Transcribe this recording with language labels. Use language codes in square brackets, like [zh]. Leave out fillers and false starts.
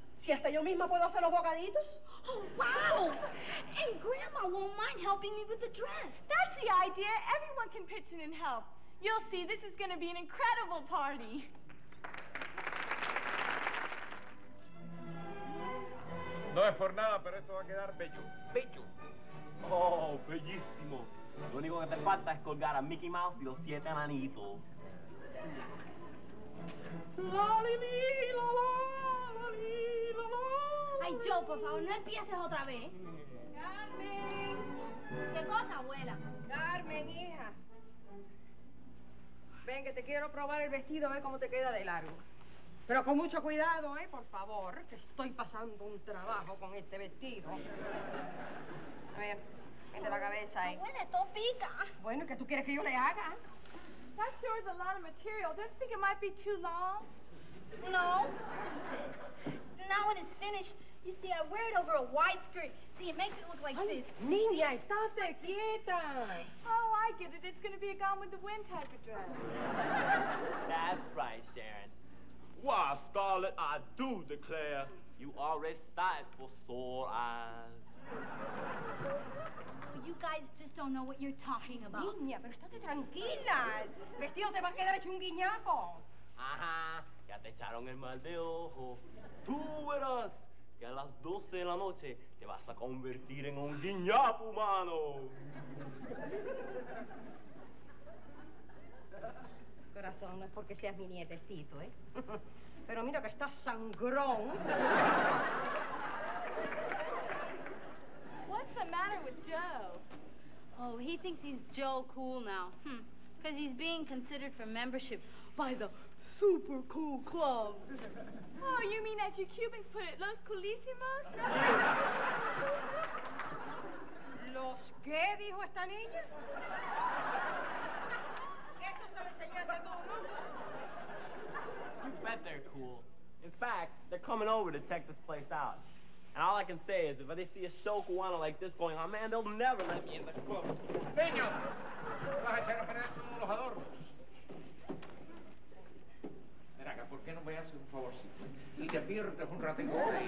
[es] Si hasta yo misma puedo hacer los bocaditos. [en] Oh, wow! And Grandma won't mind helping me with the dress. That's the idea. Everyone can pitch in and help. You'll see, this is going to be an incredible party. [es] No es por nada, pero esto va a quedar bello. ¡Bello! Oh, bellísimo. Lo único que te falta es colgar a Mickey Mouse y los 7 enanitos. ¡Lalili, lala, lali, lala! Ay, Joe, por favor, no empieces otra vez. ¡Carmen! ¿Qué cosa, abuela? ¡Carmen, hija! Ven, que te quiero probar el vestido, a ver cómo te queda de largo. Pero con mucho cuidado, ¿eh? Por favor, que estoy pasando un trabajo con este vestido. A ver, mete la cabeza ahí. Abuela, esto pica. Bueno, ¿qué tú quieres que yo le haga? [en] That sure is a lot of material. Don't you think it might be too long? No. Not when it's finished. You see, I wear it over a wide skirt. See, it makes it look like this. [es] Niña, estate quieta. [en] Oh, I get it. It's going to be a Gone with the Wind type of dress. That's right, Sharon. Why, Scarlet, I do declare you are a sight for sore eyes. Well, you guys just don't know what you're talking about. [es] Niña, pero estate tranquila. El vestido te va a quedar hecho un guiñapo. Ajá, ya te echaron el mal de ojo. Tú verás que a las 12 de la noche te vas a convertir en un guiñapo humano. Corazón, no es porque seas mi nietecito, ¿eh? Pero mira que estás sangrón. [en] What's the matter with Joe? Oh, he thinks he's Joe cool now. Because he's being considered for membership by the super cool club. Oh, you mean as you Cubans put it, [es] los coolísimos? ¿Los qué dijo esta niña? [en] You bet they're cool. In fact, they're coming over to check this place out. And all I can say is, if they see a show cubana like this going on, man, they'll never let me in the club. [es] Niño, vas a echar a perder todos los adornos. Mira acá, ¿por qué no me haces un favorcito? Y te pierdes un ratito ahí.